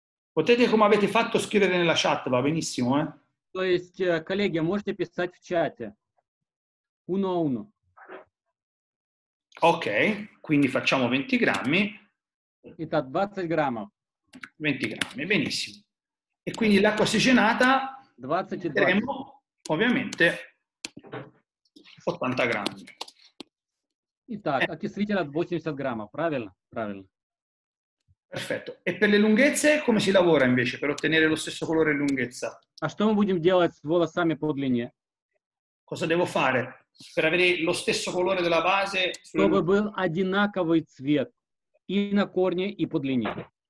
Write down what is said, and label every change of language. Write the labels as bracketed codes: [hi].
[it] Potete, come avete fatto, scrivere nella chat, va benissimo, eh? [ru] То есть, коллеги, можете писать в чате. [it] Uno a uno. Ok, quindi facciamo 20 grammi. [ru] Итак, 20 граммов. 20 граммов, [it] benissimo. E quindi l'acqua ossigenata... 20 e 20. Ovviamente 80 grammi. [ru] Итак, окислитель от 80 граммов, правильно? Правильно. [it] Perfetto. E per le lunghezze come si lavora invece per ottenere lo stesso colore e lunghezza? [ru] А что мы будем делать с волосами по длине? [it] Cosa devo fare per avere lo stesso colore della base? [ru] Чтобы был одинаковый цвет и на корне, и по длине.